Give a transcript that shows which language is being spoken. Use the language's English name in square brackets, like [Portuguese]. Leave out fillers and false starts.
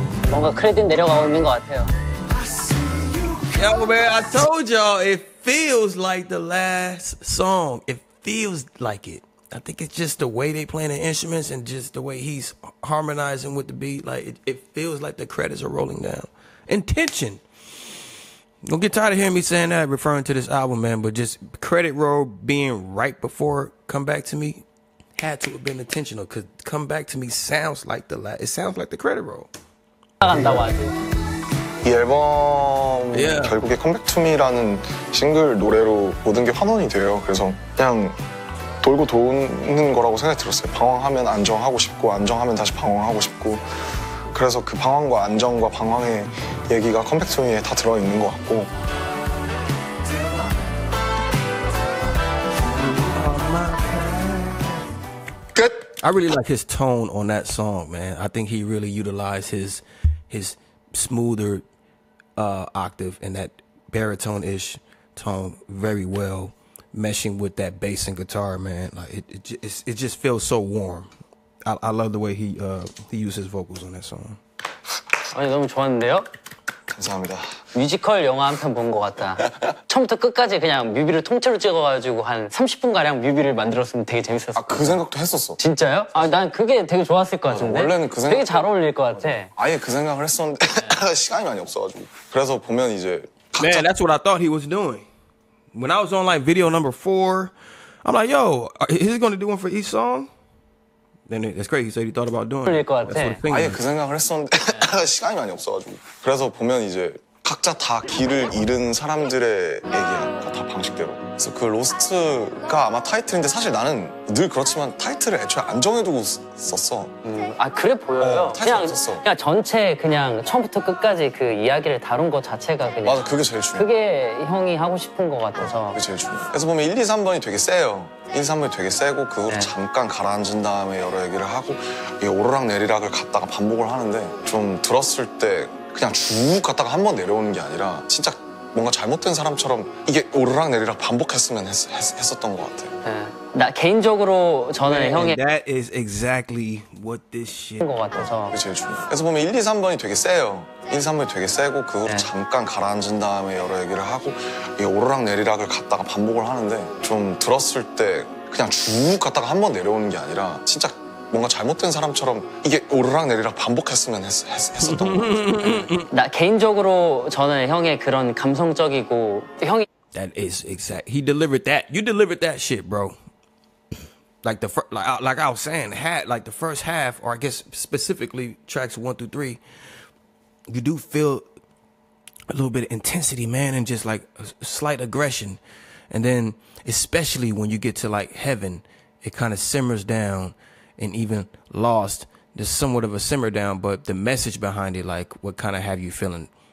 [Korean] 뭔가 크레딧 내려가고 있는 것 같아요. [English] Yo man, I told y'all it feels like the last song. It feels like it. I think it's just the way they playing the instruments and just the way he's harmonizing with the beat. Like it feels like the credits are rolling down. Intention. Don't get tired of hearing me saying that, referring to this album, man, but just credit roll being right before Come Back to Me had to have been intentional, because Come Back to Me sounds like the last, it sounds like the credit roll. [Korean] 이 앨범 yeah. 결국에 Come Back to Me라는 싱글 노래로 모든 게 환원이 돼요. 그래서 그냥 돌고 도는 거라고 생각이 들었어요. 방황하면 안정하고 싶고, 안정하면 다시 방황하고 싶고, 그래서 그 방황과 안정과 방황의 얘기가 컴백 투 미에 다 들어있는 것 같고. 끝! [English] I really like his tone on that song, man. I think he really utilized his smoother octave and that baritone-ish tone very well, meshing with that bass and guitar, man. Like it just feels so warm. I love the way he used his vocals on that song. [Korean] 아니 너무 좋았는데요? 감사합니다. 뮤지컬 영화 한 편 본 것 같다. 처음부터 끝까지 그냥 뮤비를 통째로 찍어가지고 한 30분가량 뮤비를 만들었으면 되게 재밌었을 것 같아. 그 생각도 했었어. 진짜요? 아, 난 그게 되게 좋았을 것 같은데? 원래는 그 생각... 되게 잘 어울릴 것 같아. 아예 그 생각을 했었는데 시간이 많이 없어가지고. 그래서 보면 이제 각자... [English] Man, that's what I thought he was doing. When I was on like video number 4, I'm like, yo, is he gonna do one for each song? Then it's crazy. He said he thought about doing it. [Korean] 그럴 것 같아. 아예 그 생각을 했었는데 시간이 많이 없어가지고. 그래서 보면 이제 각자 다 길을 잃은 사람들의 얘기야. 다 방식대로. 그래서 그 로스트가 아마 타이틀인데 사실 나는 늘 그렇지만 타이틀을 애초에 안 정해두고 썼어. 아 그래 보여요. 타이틀 썼어. 그냥 전체 그냥 처음부터 끝까지 그 이야기를 다룬 것 자체가 그냥. 맞아, 그게 제일 중요해. 그게 형이 하고 싶은 것 같아서. 그게 제일 중요해. 그래서 보면 1, 2, 3번이 되게 세요. 1, 3번이 되게 세고 그 후로 네. 잠깐 가라앉은 다음에 여러 얘기를 하고 이게 오르락내리락을 갔다가 반복을 하는데 좀 들었을 때 그냥 쭉 갔다가 한번 내려오는 게 아니라 진짜 뭔가 잘못된 사람처럼 이게 오르락내리락 반복했으면 했었던 것 같아. 네. 나 개인적으로 저는 [English] Man, [Korean] 형의 [English] That is exactly what this shit [Korean] 한 것 같아서 그게 제일 중요해. 그래서 보면 1, 2, 3번이 되게 세요. 1, 3번이 되게 세고 그 후로 네. 잠깐 가라앉은 다음에 여러 얘기를 하고 이게 오르락내리락을 갔다가 반복을 하는데 좀 들었을 때 그냥 쭉 갔다가 한번 내려오는 게 아니라 진짜 뭔가 잘못된 사람처럼 이게 오르락내리락 반복했으면 했었던 것 같아. 나 개인적으로 저는 형의 그런 감성적이고 형이 [English] That is exact. He delivered that. You delivered that shit, bro. Like the like I was saying, had like the first half, or I guess specifically tracks 1 through 3, you do feel a little bit of intensity, man, and just like a slight aggression. And then especially when you get to like Heaven, it kind of simmers down, and even Lost, there's somewhat of a simmer down, but the message behind it, like what kind of have you feeling?